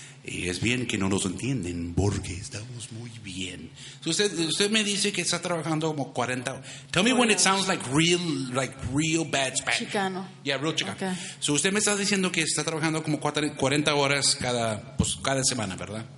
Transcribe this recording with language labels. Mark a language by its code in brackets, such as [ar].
[es] Y es bien que no nos entienden porque estamos muy bien. So usted me dice que está trabajando como 40. [en] Tell me when it sounds like real bad Spanish. Chicano. Yeah, real Chicano. Okay. [es] So usted me está diciendo que está trabajando como 40 horas cada semana, ¿verdad?